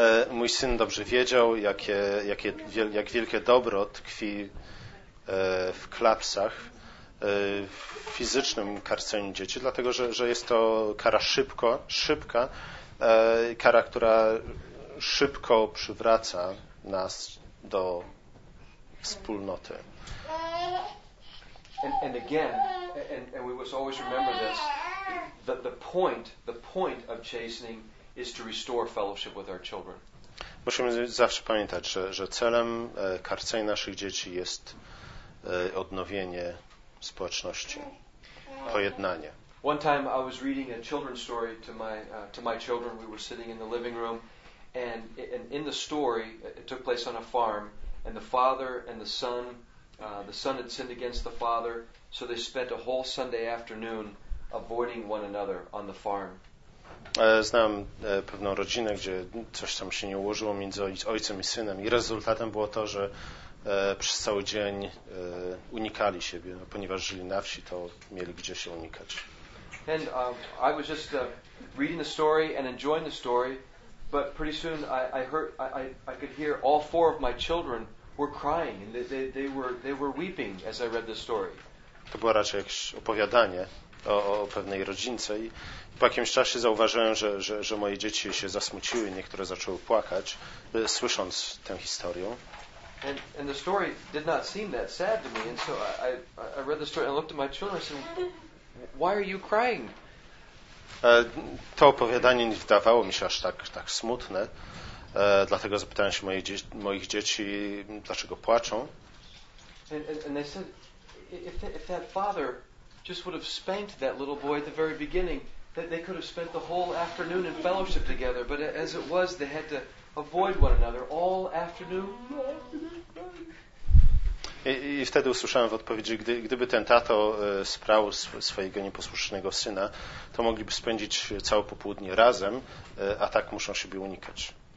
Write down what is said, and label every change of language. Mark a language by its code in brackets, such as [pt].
[pl] Mój syn dobrze wiedział, jak wielkie dobro tkwi w klapsach, w fizycznym karceniu dzieci, dlatego że jest to kara szybka, kara, która szybko przywraca nas do wspólnoty. [en] And again, we must always remember this, that the point of chastening is to restore fellowship with our children. [pl] Musimy zawsze pamiętać, że celem karcenia naszych dzieci jest odnowienie społeczności, pojednanie. [en] One time I was reading a children's story to my children. We were sitting in the living room And in the story, it took place on a farm, and the father and the son had sinned against the father, so they spent a whole Sunday afternoon avoiding one another on the farm. [pl] Znam pewną rodzinę, gdzie coś tam się nie ułożyło między ojcem i synem i rezultatem było to, że przez cały dzień unikali siebie, no, ponieważ żyli na wsi, to mieli gdzie się unikać. [en] And I was just reading the story and enjoying the story, but pretty soon I could hear all four of my children were crying and they were weeping as I read the story. [pl] To było raczej jakieś opowiadanie o pewnej rodzince i po jakimś czasie zauważyłem, że moje dzieci się zasmuciły, niektóre zaczęły płakać, słysząc tę historię. [en] And the story did not seem that sad to me, and so I read the story and looked at my children and said, why are you crying? [pl] To opowiadanie nie wydawało mi się aż tak smutne, dlatego zapytałem się moich dzieci, dlaczego płaczą. [en] And they said, if that father just would have spanked that little boy at the very beginning, that they could have spent the whole afternoon in fellowship together, but as it was, they had to avoid one another all afternoon. [pl] I wtedy usłyszałem w odpowiedzi, gdyby ten tato sprał swojego nieposłusznego syna, to mogliby spędzić całe popołudnie razem, a tak muszą siebie unikać.